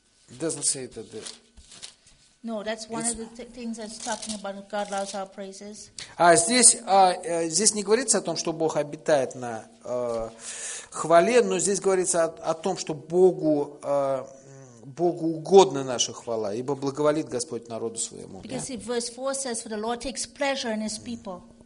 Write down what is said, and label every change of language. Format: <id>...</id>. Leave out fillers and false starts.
<en>It doesn't say it that the... No, that's one of the things that's talking about God loves our praises.</en> <ru>Здесь не говорится о том, что Бог обитает на хвале, но здесь говорится о том, что Богу Богу угодна наша хвала, ибо благоволит Господь народу своему.</ru> <en>Because yeah? verse 4 says, for the Lord takes pleasure in his people.</en>